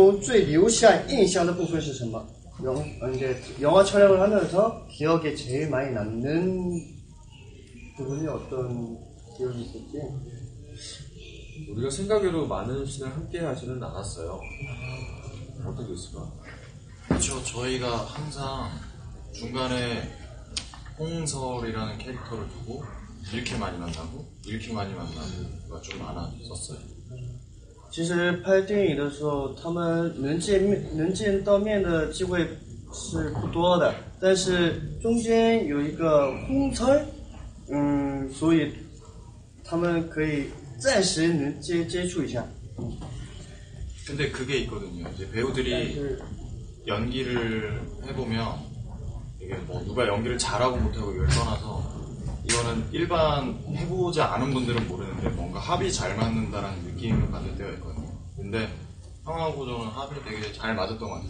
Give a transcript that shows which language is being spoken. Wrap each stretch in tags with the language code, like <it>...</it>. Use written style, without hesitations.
<zh>我们讲讲电影里的故事吧。两位一起演戏的场面中最留下印象的部分是什么？</zh> <ko>이제 영화 촬영을 하면서 기억에 제일 많이 남는 부분이 어떤 기억이 있었지? 우리가 생각해도 많은 시간 함께 하지는 않았어요. 어떻게 있을까? 그렇죠. 저희가 항상 중간에 홍설이라는 캐릭터를 두고 이렇게 많이 만나고 이렇게 많이 만나고가 좀 많았었어요.</ko> <zh>사실 拍电影的时候他们能见面的机会是不多的，但是中间有一个红村，所以他们可以暂时能接触一下。</zh> <ko>근데 그게 있거든요. 이제 배우들이 연기를 해보면 이게 뭐 누가 연기를 잘하고 못하고 열 떠나서 이거는 일반 해보지 않은 분들은 모르는데 뭔가 합이 잘 맞는다라는 느낌을 받을 때가 있거든요. 근데 형하고 저는 합이 되게 잘 맞았던 것 같아요.</ko>